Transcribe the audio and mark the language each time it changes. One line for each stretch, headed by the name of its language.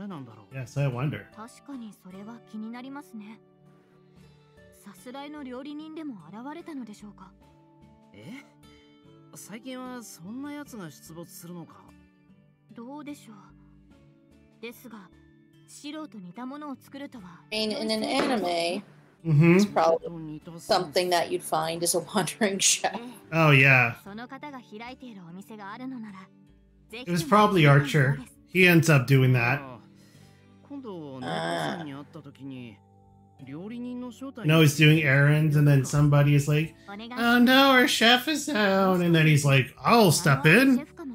Japanese: そういえば、どうしたのですか？いや、猫さんの店で食べたって藤根は言ってたんだよな。はい、そのように伺いましたが。あの店で柿のオードブルが出てくるっていうのが意外でさ。猫さんが作るとも思えないし。一体藤根に食べさせたのは誰なんだろう？
English: Yes, I wonder。
Japanese: 確かにそれは気になりますね。さすらいの料理人でも現れたのでしょうか。え、最近はそんな奴が出没するのか。どうでしょう。ですが、素人似たものを作るとは。
English: In an anime, it's probably something that you'd find as a wandering chef. Oh yeah.
Japanese: その方が開いているお店があるのなら、ぜひ。
English: It was probably Archer. He ends up doing that.
Japanese: 今度猫さんに会った時に。
English: No, he's doing errands, and then somebody is like, oh no, our chef is down, and then he's like, I'll step in.